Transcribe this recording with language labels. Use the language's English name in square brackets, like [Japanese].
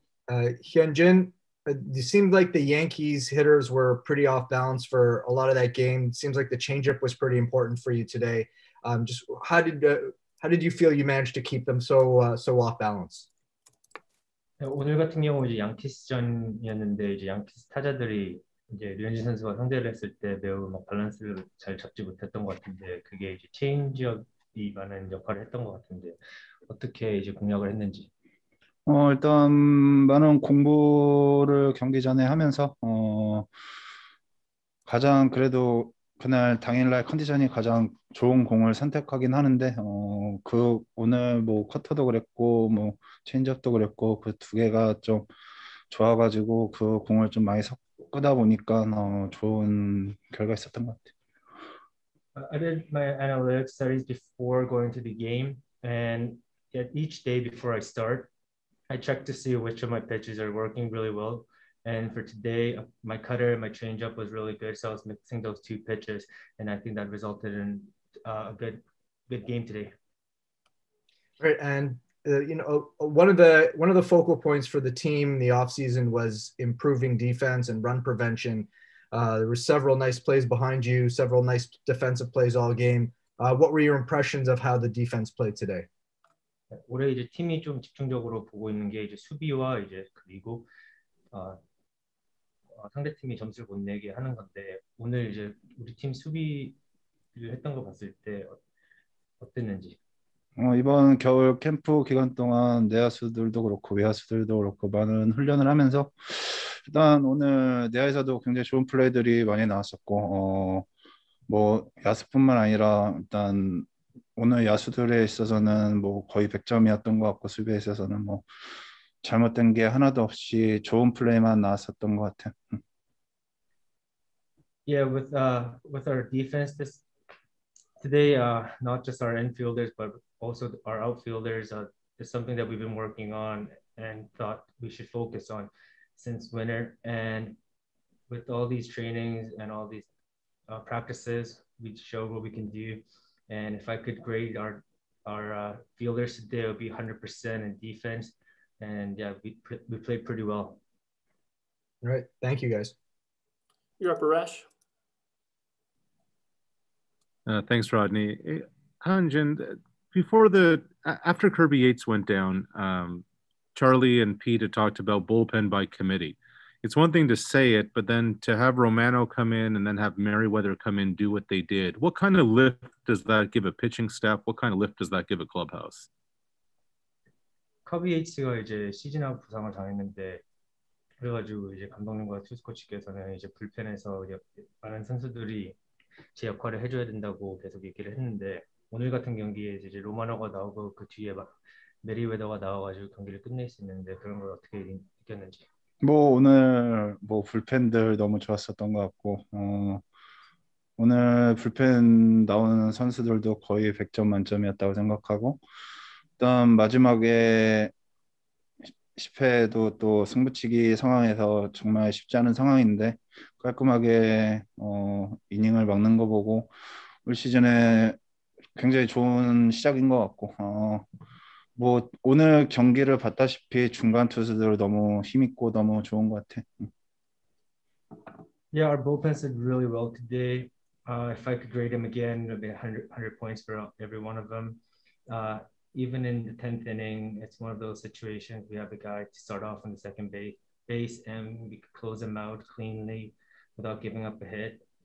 [English] Hyunjin, it seemed like the Yankees hitters were pretty off balance for a lot of that game. It seems like the changeup was pretty important for you today. Just how did you feel you managed to keep them so off balance? [Korean] 오늘 같은 경우 이제 양키스전이었는데 이제 양키스 타자들이 이제 류현진 선수가 상대를 했을 때 매우 막 밸런스를 잘 잡지 못했던 것 같은데 그게 이제 체인지업이 많은 역할을 했던 것 같은데 어떻게 이제 공략을 했는지. 일단 많은 공부를 경기 전에 하면서 가장 그래도 그날 당일날 컨디션이 가장 좋은 공을 선택하긴 하는데 그 오늘 뭐 커터도 그랬고 뭐 체인지업도 그랬고 그 두 개가 좀 좋아가지고 그 공을 좀 많이 섞다 보니까 좋은 결과 있었던 것 같아요. I did my analytics studies before going to the game, and at each day before I start, I check to see which of my pitches are working really well. And for today, my cutter and my changeup was really good, so I was mixing those two pitches, and I think that resulted in a good game today. [English] Right, and one of the focal points for the team in the offseason was improving defense and run prevention. There were several nice plays behind you, several nice defensive plays all game. What were your impressions of how the defense played today? [Korean] 올해 이제 팀이 좀 집중적으로 보고 있는 게 이제 수비와 이제 그리고 상대 팀이 점수를 못 내게 하는 건데 오늘 이제 우리 팀 수비를 했던 거 봤을 때 어땠는지. 이번 겨울 캠프 기간 동안 내야수들도 그렇고 외야수들도 그렇고 많은 훈련을 하면서 일단 오늘 내야에서도 굉장히 좋은 플레이들이 많이 나왔었고 뭐 야수뿐만 아니라 일단 오늘 야수들에 있어서는 뭐 거의 100점이었던 것 같고 수비에 있어서는 뭐 잘못된 게 하나도 없이 좋은 플레이만 나왔었던 것 같아. [English] Yeah, with our defense this today, not just our infielders but also our outfielders is something that we've been working on and thought we should focus on since winter. And with all these trainings and all these practices, we showed what we can do. And if I could grade our fielders today, it would be 100% in defense. And yeah, we played pretty well. All right, thank you guys. You're up, Arash. Thanks, Rodney. Hyunjin, after Kirby Yates went down, Charlie and Pete had talked about bullpen by committee. It's one thing to say it, but then to have Romano come in and then have Merriweather come in do what they did, what kind of lift does that give a pitching staff? What kind of lift does that give a clubhouse? [Korean] Kirby Yates가 이제 시즌 아웃 부상을 당했는데 그래가지고 이제 감독님과 투수 코치께서는 이제 불펜에서 많은 선수들이 제 역할을 해줘야 된다고 계속 얘기를 했는데 오늘 같은 경기에 이제 로마노가 나오고 그 뒤에 막 메리웨더가 나와가지고 경기를 끝낼 수 있는데 그런 걸 어떻게 느꼈는지. 뭐 오늘 뭐 불펜들 너무 좋았었던 것 같고 오늘 불펜 나오는 선수들도 거의 100점 만점이었다고 생각하고 일단 마지막에 10회도 또 승부치기 상황에서 정말 쉽지 않은 상황인데 깔끔하게 이닝을 막는 거 보고 올 시즌에 굉장히 좋은 시작인 것 같고 뭐 오늘 경기를 봤다시피 중간 투수들 너무 힘있고 너무 좋은 것 같아. [English] Yeah, our bullpen did really well today. If I could grade them again, it would be 100 points for every one of them. Even in the 10th inning, it's one of those situations we have a guy to start off on the second base and we could close him out cleanly without giving up a hit.